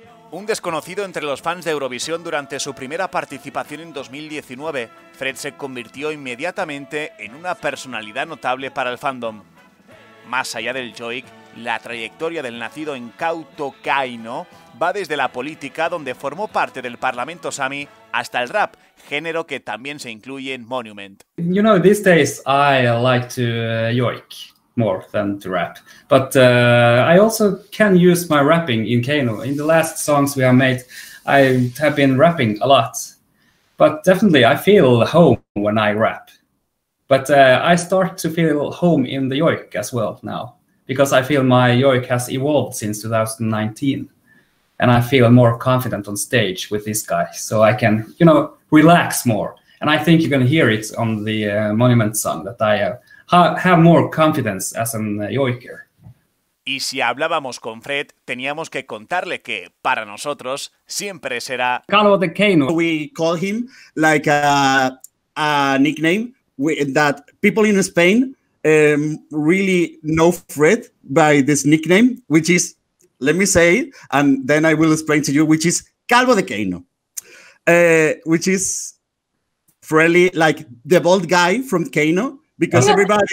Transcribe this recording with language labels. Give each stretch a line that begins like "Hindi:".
Spanish: Un desconocido entre los fans de Eurovisión durante su primera participación en 2019, Fred se convirtió inmediatamente en una personalidad notable para el fandom. Más allá del joik, la trayectoria del nacido en Kautokeino va desde la política, donde formó parte del Parlamento Sami, hasta el rap, género que también se incluye en Monument.
English: You know, these days I like to joik more than to rap, but I also can use my rapping in Kano. In the last songs we have made, I have been rapping a lot, but definitely I feel home when I rap. But I start to feel home in the joik as well now, because I feel my joik has evolved since 2019. And I feel more confident on stage with this guy, so I can, you know, relax more. And I think you're going to hear it on the Monument song, that I have more confidence as a joiker.
Spanish: Y si hablábamos con Fred, teníamos que contarle que, para nosotros, siempre será... Carlo de Kano.
English: We call him like a nickname, that people in Spain really know Fred by this nickname, which is, let me say it, and then I will explain to you, which is Calvo de Keino, which is friendly, like the bald guy from Keino, because yeah.